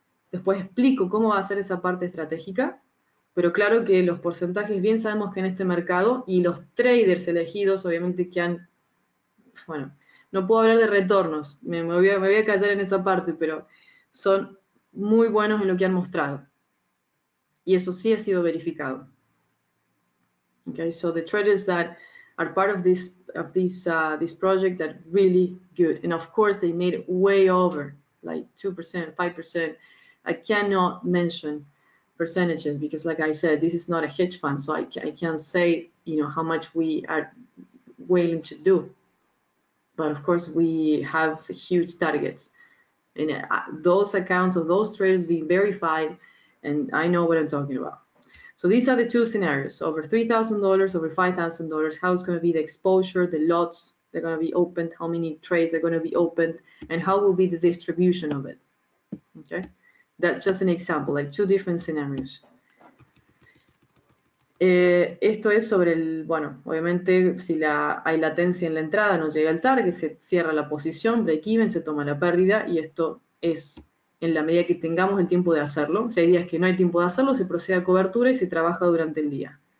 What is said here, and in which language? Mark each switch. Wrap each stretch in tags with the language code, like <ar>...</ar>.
<es>Después explico cómo va a ser esa parte estratégica. Pero claro que los porcentajes, bien sabemos que en este mercado y los traders elegidos, obviamente que han, bueno, no puedo hablar de retornos. Me voy a callar en esa parte, pero son muy buenos en lo que han mostrado. Y eso sí ha sido verificado.</es> <en>Okay, so the traders that are part of this project are really good. And of course, they made it way over, like 2%, 5%. I cannot mention percentages because, like I said, this is not a hedge fund. So I can't say, you know, how much we are willing to do. But of course, we have huge targets. And those accounts of those traders being verified, and I know what I'm talking about. So these are the two scenarios, over $3,000, over $5,000, how it's going to be the exposure, the lots that are going to be opened, how many trades are going to be opened, and how will be the distribution of it. Okay, that's just an example, like two different scenarios.</en> <es>Esto es sobre el, bueno, obviamente si hay latencia en la entrada, no llega el target, se cierra la posición, break even, se toma la pérdida, y esto es en la medida que tengamos el tiempo de hacerlo. Si hay días que no hay tiempo de hacerlo, se procede a cobertura y se trabaja durante el día.</es>